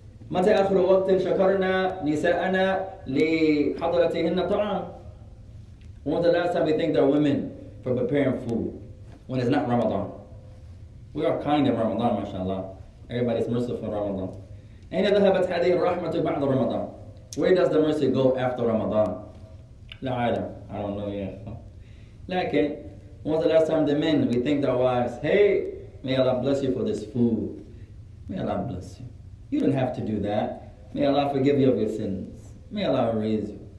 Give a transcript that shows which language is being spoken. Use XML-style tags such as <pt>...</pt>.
<ar>متى آخر وقت شكرنا نساءنا لحضرتهن طعام?</ar> <en>When was the last time we thanked our women for preparing food? When it's not Ramadan. We are kind in Ramadan, mashallah. Everybody's merciful in Ramadan.</en> <ar>أين ذهبت هذه الرحمة بعد رمضان?</ar> <en>Where does the mercy go after Ramadan?</en> <ar>لا عالم.</ar> <en>I don't know yet.</en> <ar>لكن,</ar> <en>when was the last time the men, we thanked our wives, hey, may Allah bless you for this food. May Allah bless you. You don't have to do that. May Allah forgive you of your sins. May Allah raise you.</en>